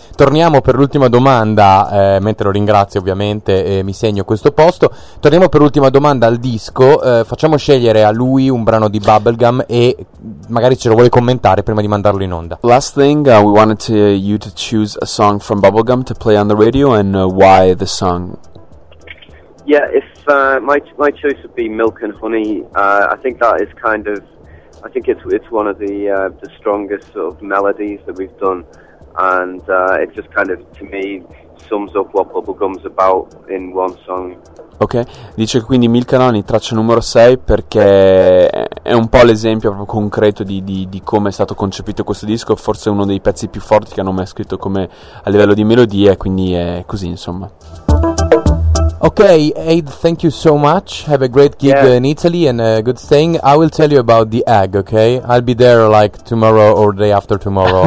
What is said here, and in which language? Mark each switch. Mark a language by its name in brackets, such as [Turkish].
[Italian] Torniamo per l'ultima domanda, mentre lo ringrazio ovviamente e mi segno questo posto. Torniamo per l'ultima domanda al disco, facciamo scegliere a lui un brano di Bubblegum e magari ce lo vuole commentare prima di mandarlo in onda. [English] Last thing, we wanted to, you to choose a song from Bubblegum to play on the radio and why the song? Yeah, if my choice would be Milk and Honey. I think that is kind of, I think it's one of the strongest sort of melodies that we've done, and it just kind of to me sums up what Bubblegum's about in one song. [Italian] Ok, dice quindi Milk and Honey, traccia numero 6, perché è un po' l'esempio proprio concreto di come è stato concepito questo disco, forse uno dei pezzi più forti che hanno mai scritto come a livello di melodia, quindi è così insomma. [English] Okay, Aid, thank you so much. Have a great gig in Italy and a good staying. I will tell you about The Egg, okay? I'll be there like tomorrow or day after tomorrow.